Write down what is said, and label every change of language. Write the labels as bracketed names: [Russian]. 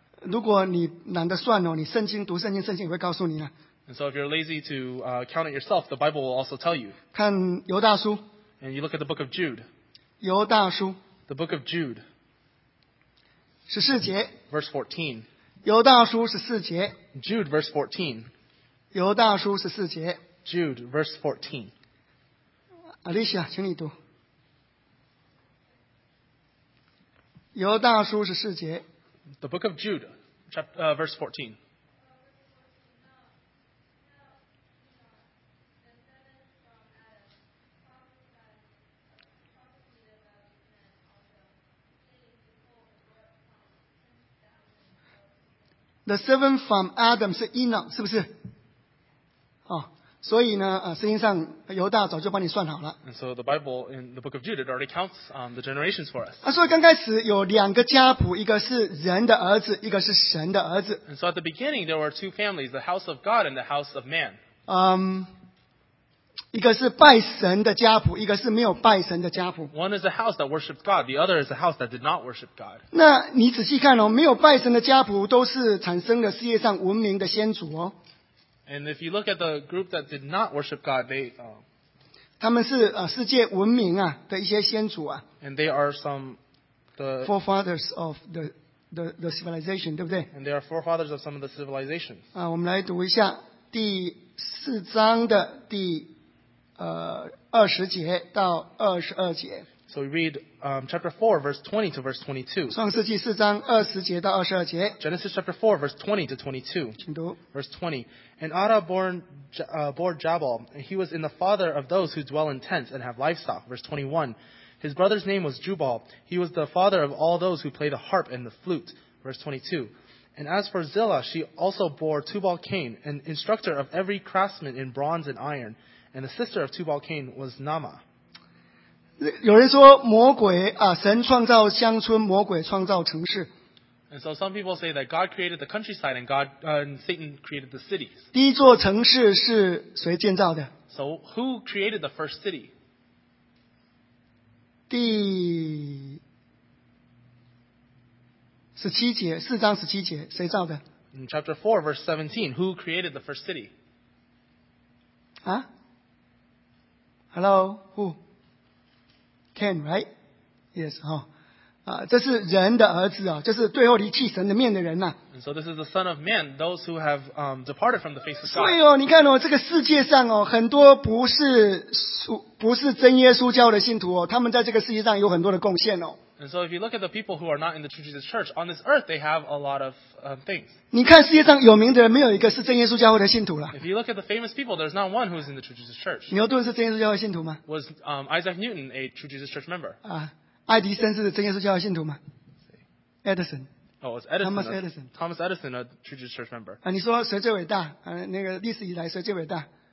[Chinese] 如果你懒得算哦，你圣经读圣经，圣经也会告诉你了。 [English] And so if you're lazy to count it yourself, the Bible will also tell you. [Chinese] 看犹大书。 [English] And you look at the book of Jude. [Chinese] 犹大书。 [English] The book of Jude. [Chinese] 十四节。 [English] Verse 14. [Chinese] 犹大书十四节。 [English] Jude verse 14. [Chinese] 犹大书十四节。 [English] Jude verse 14. [Chinese] Alicia, 请你读。犹大书十四节。 [English] The book of Jude, chapter, verse 14. The seventh from Adam 是 Enoch， [Chinese] 是不是？哦，所以呢，圣经上犹大早就帮你算好了。 [English] And so the Bible in the book of Jude already counts the generations for us. [Chinese] 所以刚开始有两个家谱，一个是人的儿子，一个是神的儿子。 [English] And so at the beginning there were two families, the house of God and the house of man. [Chinese] 一个是拜神的家谱，一个是没有拜神的家谱。 [English] One is a house that worshipped God, the other is a house that did not worship God. [Chinese] 那你仔细看哦，没有拜神的家谱都是产生了世界上文明的先祖哦。 [English] And if you look at the group that did not worship God, they [Chinese] 他们是世界文明啊的一些先祖啊。 [English] And they are some the forefathers of the civilization, [Chinese] 对不对？ [English] And they are forefathers of some of the civilizations. [Chinese] 我们来读一下第四章的第二十节到二十二节。 [English] So we read chapter 4, verse 20 to verse 22. [Chinese] 创世纪四章二十节到二十二节。 [English] Genesis chapter 4, verse 20 to 22. [Chinese] 请读。 [English] Verse 20. And Adah bore Jabal, and he was in the father of those who dwell in tents and have livestock. Verse 21. His brother's name was Jubal. He was the father of all those who play the harp and the flute. Verse 22. And as for Zillah, she also bore Tubal-Cain, an instructor of every craftsman in bronze and iron. And the sister of Tubal-Cain was Naamah. [Chinese] 有人说魔鬼神创造乡村，魔鬼创造城市。 [English] And so some people say that God created the countryside and God and Satan created the cities. [Chinese] 第一座城市是谁建造的？ [English] So who created the first city? [Chinese] 第十七节，四章十七节，谁造的？ [English] In chapter 4, verse 17, who created the first city? 啊？Hello, who? Cain, right? Yes, huh? [Chinese] 这是人的儿子啊，这是最后离弃神的面的人呐。 [English] And so this is the son of man, those who have departed from the face of God. [Chinese] 所以哦，你看哦，这个世界上哦，很多不是真耶稣教的信徒哦，他们在这个世界上有很多的贡献哦。 [English] And so if you look at the people who are not in the True Jesus Church on this earth, they have a lot of things. [Chinese] 你看世界上有名的人，没有一个是真耶稣教会的信徒了。 [English] If you look at the famous people, there's not one who's in the True Jesus Church. [Chinese] 牛顿是真耶稣教会信徒吗？ [English] Was Isaac Newton a True Jesus Church member? [Chinese] 爱迪生是真耶稣教会信徒吗？ [English] Edison. Oh, it's Edison. Thomas Edison. Thomas Edison, a True Jesus Church member. [Chinese] 你说谁最伟大？那个历史以来谁最伟大？